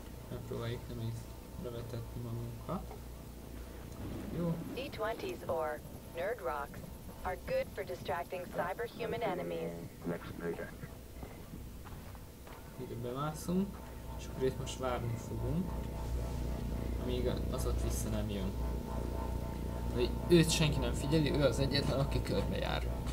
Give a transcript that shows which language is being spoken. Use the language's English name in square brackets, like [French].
[Hungarian] Megpróbáljuk nem így levetetni magunkat. Jó. [English] D20s or nerd rocks are good for distracting cyberhuman enemies. [Hungarian] Ide bemászunk. És akkor itt most várni fogunk, amíg az ott vissza nem jön. Vagy őt senki nem figyeli, ő az egyetlen, aki körbe jár.